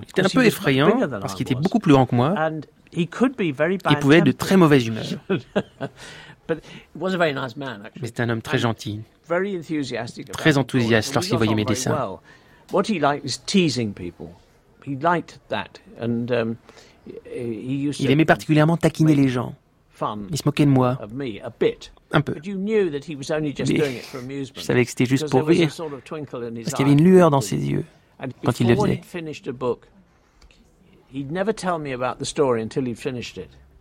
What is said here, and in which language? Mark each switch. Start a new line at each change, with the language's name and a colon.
French: Il était un peu effrayant parce qu'il était beaucoup plus grand que moi.
English: And he could be very bad.
French: Il pouvait être de très mauvaise humeur.
English: But he was a very nice man actually.
French: Mais c'était un homme très gentil. Très enthousiaste lorsqu'il voyait mes dessins.
English: What he liked is teasing people. He liked that, and he used to.
French: Il aimait particulièrement taquiner les gens. Il se moquait de moi.
English: Of me, a bit.
French: Un peu.
English: But you knew that he was only just doing it for amusement.
French: Je savais que c'était juste pour rire. Parce qu'il y avait une lueur dans ses yeux quand il le faisait.
English: Before he finished a book, he'd never tell me about the story until he finished it.